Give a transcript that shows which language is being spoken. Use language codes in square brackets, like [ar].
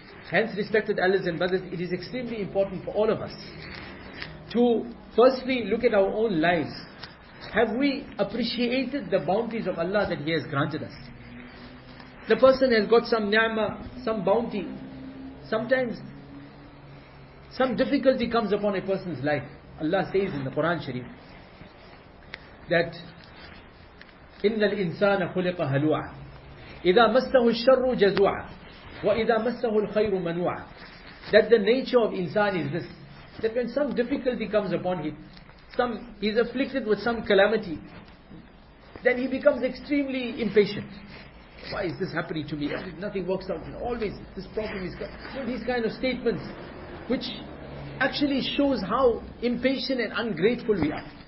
[en] Hence, respected elders and brothers, it is extremely important for all of us to firstly look at our own lives. Have we appreciated the bounties of Allah that He has granted us? The person has got some ni'mah, some bounty. Sometimes some difficulty comes upon a person's life. [ar] Allah says in the Quran Sharif that إِنَّ الْإِنسَانَ خُلِقَ هَلُوعًا إِذَا مَسَّهُ الشَّرُّ جَزُوعًا وَإِذَا مَسَّهُ الْخَيْرُ مَنُوعًا. [en] That the nature of insan is this, that when some difficulty comes upon him, he's afflicted with some calamity, then he becomes extremely impatient. Why is this happening to me? Nothing works out. Always this problem is got. So these kind of statements, which actually shows how impatient and ungrateful we are.